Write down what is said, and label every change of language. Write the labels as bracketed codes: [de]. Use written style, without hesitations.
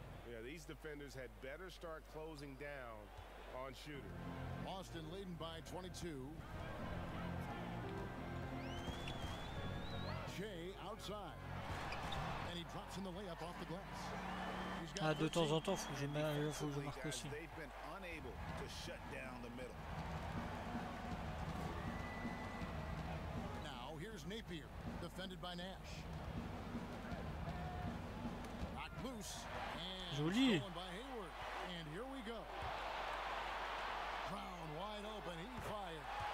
[en] Yeah, these defenders had better start closing down on shooter. Austin leading by 22. Jay outside. And he drops in the layup off the glass. [fr] Ah, de temps en temps, faut que je marque aussi. [en] They've been unable to shut down the middle. Now here's Napier, defended by Nash. Knocked loose and [fr] joli. [en] Stolen by Hayward. And here we go. Brown wide open, he fired.